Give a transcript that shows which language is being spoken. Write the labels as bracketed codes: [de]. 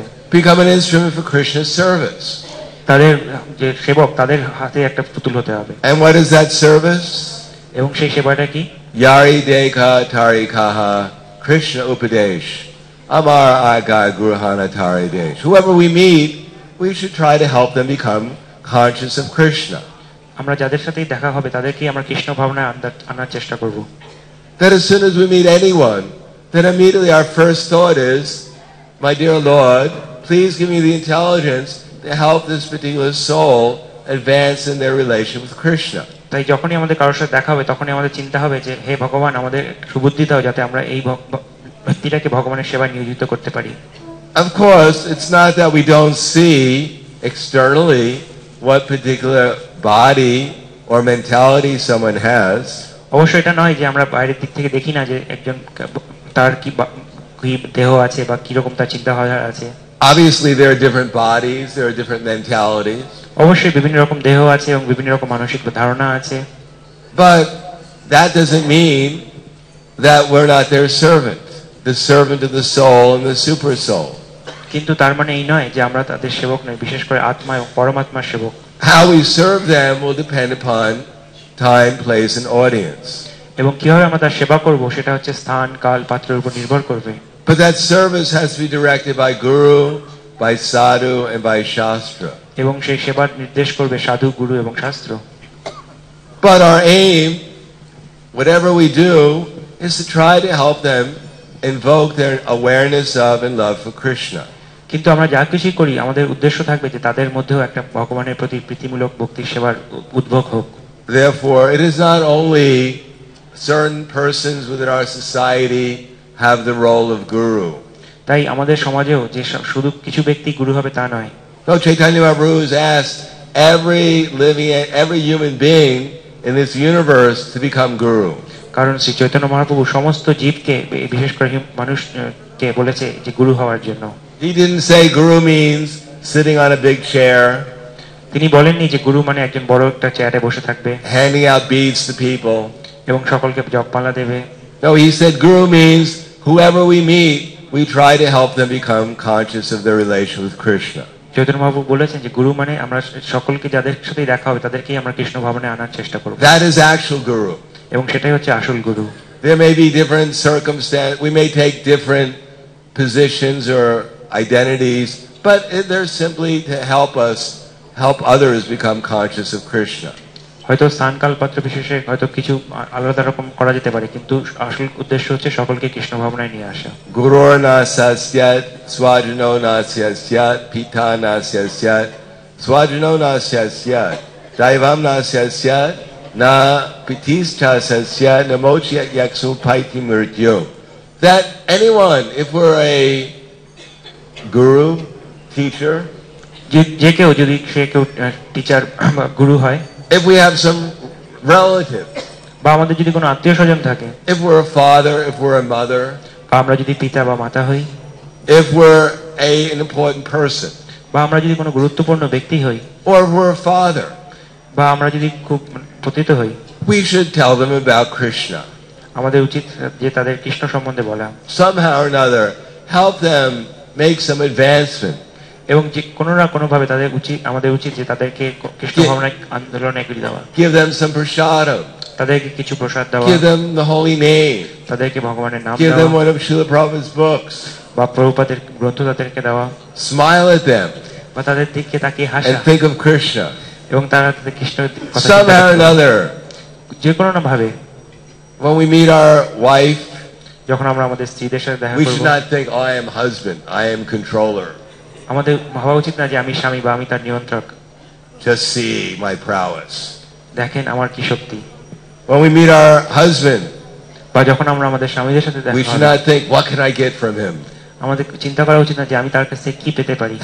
[en] become an instrument for Krishna's service. [bn] তারে যে সেবক তাদের হাতে একটা পুতুল হতে হবে. [en] And what is that service? [bn] এবং সেই সেবাটা কি? Yari dekha tari kaha Krishna upadesh amar aga gruhana tari desh. [en] Whoever we meet, we should try to help them become conscious of Krishna. [bn] আমরা যাদের সাথে দেখা হবে তাদেরকে আমরা কৃষ্ণ ভাবনা আনার চেষ্টা করব. [en] That as soon as we meet anyone, then immediately our first thought is, my dear Lord, please give me the intelligence to help this particular soul advance in their relation with Krishna. [bn] তাই যখনই আমাদের কারোর সাথে দেখা হবে তখনই আমাদের চিন্তা হবে যে হে ভগবান আমাদের সুবুদ্ধি দাও যাতে আমরা এই ব্যক্তিটাকে ভগবানের সেবায় নিয়োজিত করতে পারি. [en] Of course, it's not that we don't see externally what particular body or mentality someone has. [bn] অবশ্যই এটা নয় যে আমরা বাইরের দিক থেকে দেখি না যে একজন তার কি দেহ আছে বা কিরকম তার চিন্তা ভাবনা আছে. [en] Obviously there are different bodies, there are different mentalities. [bn] অবশ্যই বিভিন্ন রকম দেহ আছে এবং বিভিন্ন রকম মানসিক ধারণা আছে. [en] But that doesn't mean that we're not their servant, the servant of the soul and the super soul. [bn] কিন্তু তার মানে এই নয় যে আমরা তাদের সেবক নই, বিশেষ করে আত্মা এবং পরমাত্মার সেবক. [en] How we serve them will depend upon time, place and audience. [bn] এবং কিভাবে আমরা তার সেবা করব সেটা হচ্ছে স্থান কাল পাত্রের উপর নির্ভর করবে. [en] But that service has to be directed by guru, by sadhu and by shastra. [bn] এবং সেই সেবা নির্দেশ করবে সাধু গুরু এবং শাস্ত্র. [en] But our aim, whatever we do, is to try to help them invoke their awareness of and love for Krishna. [bn] কিন্তু আমরা যা কিছুই করি আমাদের উদ্দেশ্য থাকবে যে তাদের মধ্যেও একটা ভগবানের প্রতি প্রীতিমূলক ভক্তি সেবার উদ্ভব হোক. [en] Therefore, it is not only certain persons within our society have the role of guru. [bn] তাই আমাদের সমাজেও যে শুধু কিছু ব্যক্তি গুরু হবে তা নয়. [en] So Chaitanya Mahaprabhu has asked every living, every human being in this universe to become guru. [bn] কারণ শ্রী চৈতন্য মহাপ্রভু সমস্ত জীবকে বিশেষ করে মানুষকে বলেছে যে গুরু হওয়ার জন্য. [en] He didn't say guru means sitting on a big chair. [bn] তিনি বলেননি যে গুরু মানে একজন বড় একটা চেয়ারে বসে থাকবে. [en] Handing out beads to people. [bn] এবং সকলকে জপমালা দেবে. [en] No, he said guru means whoever we meet, we try to help them become conscious of their relation with Krishna. [bn] Chaitanya Mahaprabhu বলেছেন যে গুরু মানে আমরা সকলকে যাদের সাথে দেখা হবে তাদেরকে আমরা কৃষ্ণ ভাবনে আনার চেষ্টা করব. [en] That is actual guru. [bn] এবং সেটাই হচ্ছে আসল গুরু. [en] There may be different circumstances, we may take different positions or identities, but they're simply to help us help others become conscious of Krishna. [bn] হয়তো স্থানকাল পাত্র বিশেষে হয়তো কিছু আলাদা রকম করা যেতে পারে কিন্তু আসল উদ্দেশ্য হচ্ছে সকলকে কৃষ্ণ ভাবনায় নিয়ে আসা. [sa] গুরু না সাস্যাত স্বাজনো না সাস্যাত পিতা না সাস্যাত স্বাজনো না সাস্যাত দৈবম না সাস্যাত না পিতিষ্ঠা সাস্যাত নমোচ্যাত ইয়ক্ষু পাইতি মৃত্যু. [en] That anyone, if we're a guru, teacher, [bn] যে কেউ যদি সে কেউ টিচার গুরু হয়, [en] if we have some relative, [bn] বা আমাদের যদি কোনো আত্মীয় স্বজন থাকে, [en] if we're a father, if we're a mother, [bn] বা আমরা যদি পিতা বা মাতা হই, [en] if we're an important person, [bn] বা আমরা যদি কোনো গুরুত্বপূর্ণ ব্যক্তি হই, [en] or if we're a father, [bn] বা আমরা যদি খুব একত্রিত হই [en] we should tell them about krishna [bn] আমাদের উচিত যে তাদের কৃষ্ণ সম্বন্ধে বলা [en] somehow or another help them make some advancement [bn] এবং যে কোনো না কোনো ভাবে তাদের উচিত আমাদের উচিত যে তাদেরকে কৃষ্ণ ভাবনা আন্দোলনে এগিয়ে দেওয়া [en] give them some prasad [bn] তাদেরকে কিছু প্রসাদ দেওয়া [en] give them the holy name [bn] তাদেরকে ভগবানের নাম দেওয়া [en] give them one of Srila Prabhupada's books [bn] বা প্রভুপাদের গ্রন্থ তাদেরকে দেওয়া [en] smile at them [bn] বা তাদের দিকে তাকিয়ে হাসা [en] and think of krishna [bn] এবং তারা তাদের কৃষ্ণের কথা [en] somehow or another [bn] যে কোনো না ভাবে [en] when we meet our wife [bn] যখন আমরা আমাদের স্ত্রীদের সাথে দেখা করব [en] we should not think I am husband I am controller [bn] আমাদের ভাবা উচিত না যে আমি স্বামী বা আমি তার নিয়ন্ত্রক [en] just see my prowess [bn] দেখেন আমার কি শক্তি [en] when we meet our husband [bn] বা যখন আমরা আমাদের স্বামীর সাথে দেখা করব [en] we should not think what can I get from him [bn] আমাদের চিন্তা করা উচিত না যে আমি তার কাছে কি পেতে পারি